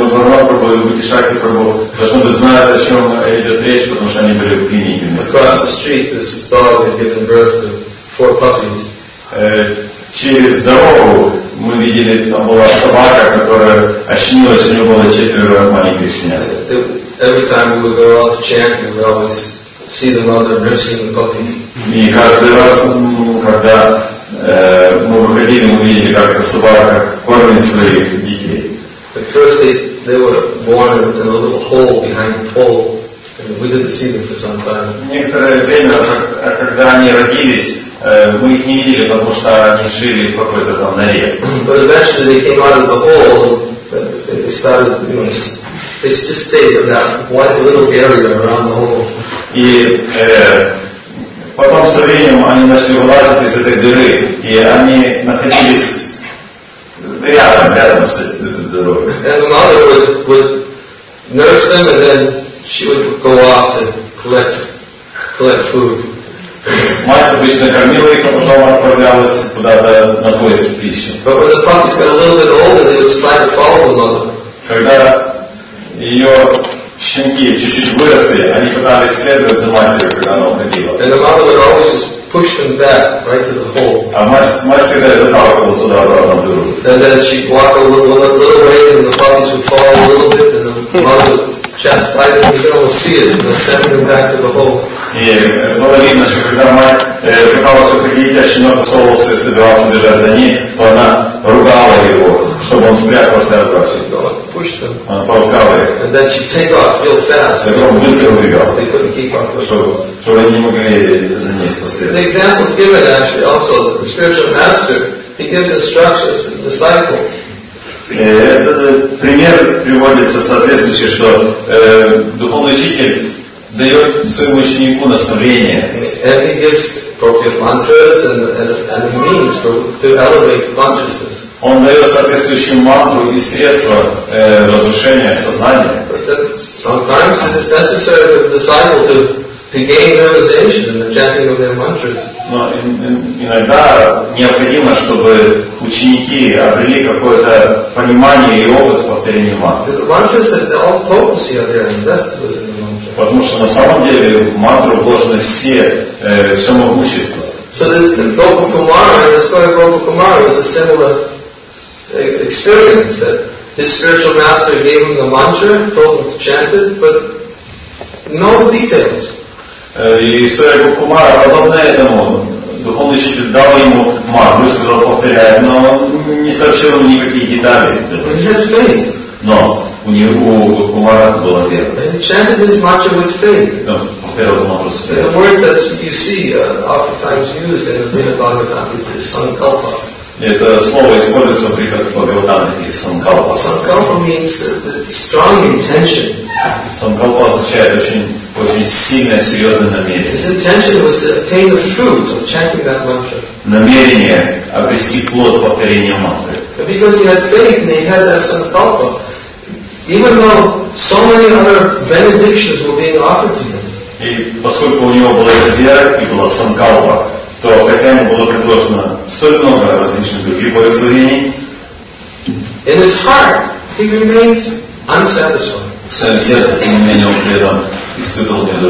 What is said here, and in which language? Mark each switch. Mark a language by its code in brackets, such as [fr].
[ru] Должно быть знают, о чем идет речь, потому что они были в клинике. [en] Across the street this dog had given birth to four puppies. [ru] Через дорогу мы видели, там была собака, которая ощенилась, у нее было четверо маленьких щенят. [en] Every time we would go out to chant, we would always see the mother nursing the puppies. [ru] И каждый раз, когда мы выходили, мы видели, как собака кормит своих детей. [en] At first they were born in a little hole behind the pole, and we didn't see them for some time. [ru] Некоторое время, когда они родились, мы их не видели, потому что они жили в какой-то там норе. [en] But eventually they came out of the hole, and they started, you know, just stayed in that one little area around the hole. [ru] И потом со временем они начали вылазить из этой дыры, и они находились рядом с этой. [en] And the mother would nurse them, and then she would go off to collect food. [ru] Мать обычно кормила их, а потом отправлялась куда-то на поиски пищи. [en] But when the puppies got a little bit older, they would try to follow the mother. [ru] Когда ее щенки чуть-чуть выросли, они пытались следовать за матерью, когда она уходила. [en] And the mother would always push them back right to the hole. [ru] А мать всегда заталкивала туда обратно в дыру. [en] And then she'd walk a little ways, and the puppies would fall a little bit, and the mother would chastise them, you can almost see it, and then send them back to the hole. [ru] Yeah, было видно, что когда мать пыталась уходить, а щенок усовывался и собирался бежать за ней, то она ругала его, чтобы он спрятался от брата. [en] She'd go, push them. [ru] Она толкала их. [en] And then she'd take off real fast. [ru] И он быстро убегал. [en] They couldn't keep up with her. [ru] Чтобы они не могли за ней спасти. [en] The example is given, actually, also, the spiritual master, he gives instructions to the disciple. [ru] Этот пример приводится соответствующий, что духовный учитель дает своему ученику наставление. [en] And he gives appropriate mantras and means to elevate consciousness. [ru] Он дает соответствующую мантру и средства разрушения сознания. [en] But sometimes it is necessary for the disciple to To gain realization and the chanting of their mantras. [ru] Но иногда необходимо, чтобы ученики обрели какое-то понимание и опыт повторения мантры. [en] Because the mantras are the all potency of their investment. [ru] Потому что на самом деле в мантру вложены все все могущество. [en] So this Gopa Kumara, the story of Gopa Kumara, is a similar experience that his spiritual master gave him the mantra, told him to chant it, but no details. [ru] И история Гопакумара подобна этому. Духовный учитель дал ему мантру, сказал повторяй, но не сообщил ему никакие детали. Но у него у Гопакумара была вера. Но повторял мантру с верой. [en] The word that you see oftentimes used in the Vinaya Bhagavatamrita is sankalpa. [ru] Это слово используется в Vinaya Bhagavatamrita [en] is sankalpa. Sankalpa means strong intention. [ru] Sankalpa означает очень сильное, серьезное намерение. [en] His intention was to attain the fruit of chanting that mantra. [ru] Намерение обрести плод повторения мантры. [en] Because he had faith and he had that sankalpa, even though so many other benedictions were being offered to him. [ru] И поскольку у него была эта вера и была санкалпа, то хотя ему было предложено столь много различных других благословений, [en] in his heart he remained unsatisfied. [ru] В своем сердце, тем не менее, он при этом испытывал